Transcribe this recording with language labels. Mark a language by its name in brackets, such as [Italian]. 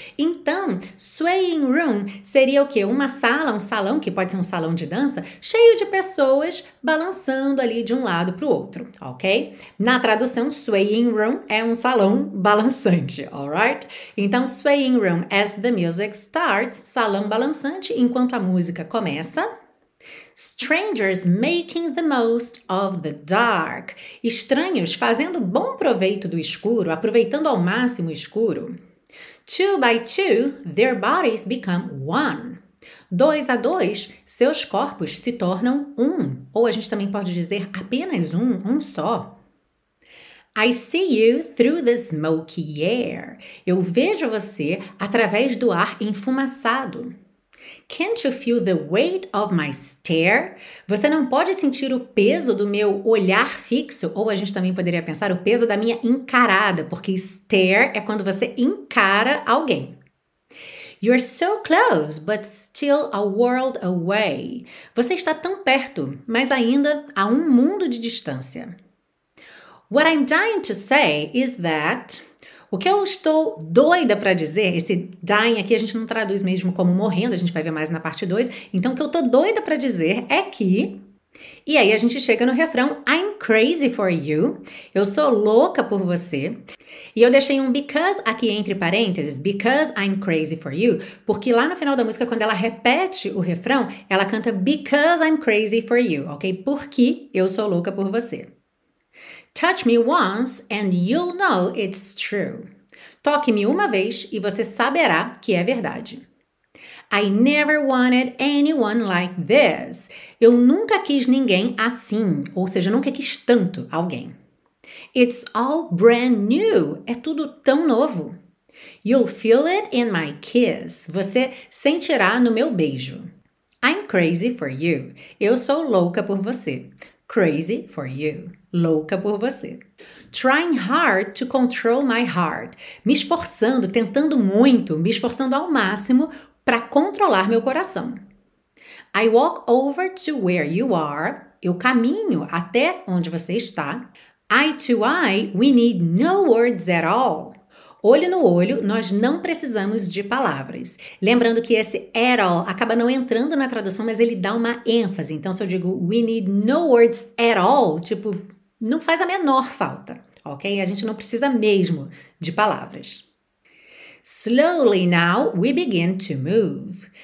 [Portuguese] Então, swaying room seria o quê? Uma sala, um salão, que pode ser um salão de dança, cheio de pessoas balançando ali de um lado para o outro, ok? Na tradução, swaying room é um salão balançante, alright? Então, swaying room [English] as the music starts, [Portuguese] salão balançante enquanto a música começa. [English] Strangers making the most of the dark. [Portuguese] Estranhos fazendo bom proveito do escuro, aproveitando ao máximo o escuro. [English] Two by two, their bodies become one. [Portuguese] Dois a dois, seus corpos se tornam um. Ou a gente também pode dizer apenas um só. [English] I see you through the smoky air. [Portuguese] Eu vejo você através do ar enfumaçado. [English] Can't you feel the weight of my stare? [Portuguese] Você não pode sentir o peso do meu olhar fixo, ou a gente também poderia pensar o peso da minha encarada, porque stare é quando você encara alguém. [English] You're so close, but still a world away. [Portuguese] Você está tão perto, mas ainda há um mundo de distância. [English] What I'm dying to say is that. [Portuguese] O que eu estou doida para dizer, esse dying aqui a gente não traduz mesmo como morrendo, a gente vai ver mais na parte 2. Então, o que eu estou doida para dizer é que. E aí a gente chega no refrão [English] I'm crazy for you. [Portuguese] Eu sou louca por você. E eu deixei um because aqui entre parênteses, [English] because I'm crazy for you, [Portuguese] porque lá no final da música, quando ela repete o refrão, ela canta because I'm crazy for you, ok? Porque eu sou louca por você. [English] Touch me once and you'll know it's true. [Portuguese] Toque-me uma vez e você saberá que é verdade. [English] I never wanted anyone like this. [Portuguese] Eu nunca quis ninguém assim, ou seja, nunca quis tanto alguém. [English] It's all brand new. [Portuguese] É tudo tão novo. [English] You'll feel it in my kiss. [Portuguese] Você sentirá no meu beijo. [English] I'm crazy for you. [Portuguese] Eu sou louca por você. [English] Crazy for you. [Portuguese] louca por você. [English] Trying hard to control my heart. [Portuguese] Me esforçando, tentando muito, me esforçando ao máximo para controlar meu coração. [English] I walk over to where you are. [Portuguese] Eu caminho até onde você está. [English] Eye to eye, we need no words at all. [Portuguese] Olho no olho, nós não precisamos de palavras. Lembrando que esse at all acaba não entrando na tradução, mas ele dá uma ênfase. Então, se eu digo [English] we need no words at all, [Portuguese] tipo, não faz a menor falta, ok? A gente não precisa mesmo de palavras. [English] Slowly now, we begin to move.